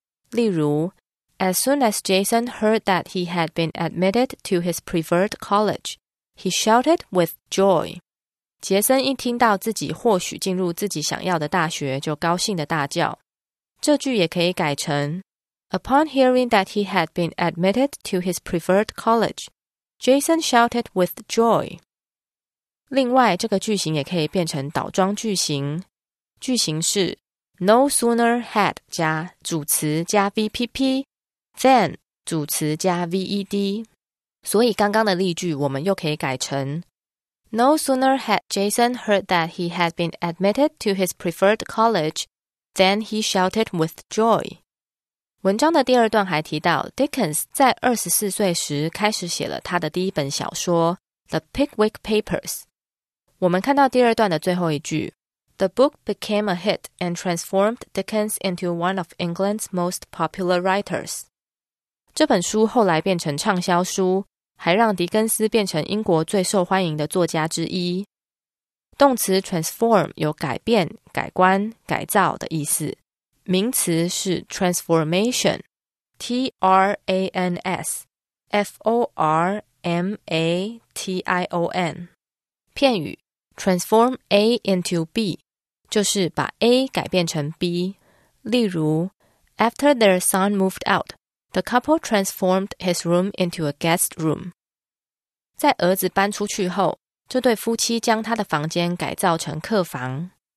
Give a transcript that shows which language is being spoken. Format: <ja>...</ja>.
<zh>例如</zh> <en>As soon as Jason heard that he had been admitted to his preferred college, he shouted with joy.</en> <zh>杰森一听到自己或许进入自己想要的大学，就高兴地大叫。这句也可以改成</zh> <en>Upon hearing that he had been admitted to his preferred college, Jason shouted with joy。</en> <zh>另外这个句型也可以变成倒装句型，句型是</zh> <en>No sooner had</en> <zh>加主词加 VPP than 主词加 VED。所以刚刚的例句我们又可以改成</zh> <en>No sooner had Jason heard that he had been admitted to his preferred college than he shouted with joy。</en> <zh>文章的第二段还提到 Dickens 在24岁时开始写了他的第一本小说 The Pickwick Papers。我们看到第二段的最后一句，</zh> <en>The book became a hit and transformed Dickens into one of England's most popular writers.</en> <zh>这本书后来变成畅销书，还让狄更斯变成英国最受欢迎的作家之一。动词 transform 有改变、改观、改造的意思，名词是 transformation， T-R-A-N-S F-O-R-M-A-T-I-O-N。片语</zh> <en>Transform A into B</en> <zh>就是把 A 改变成 B。例如</zh> <en>After their son moved out, the couple transformed his room into a guest room。</en> <zh>在儿子搬出去后，这对夫妻将他的房间改造成客房。</zh>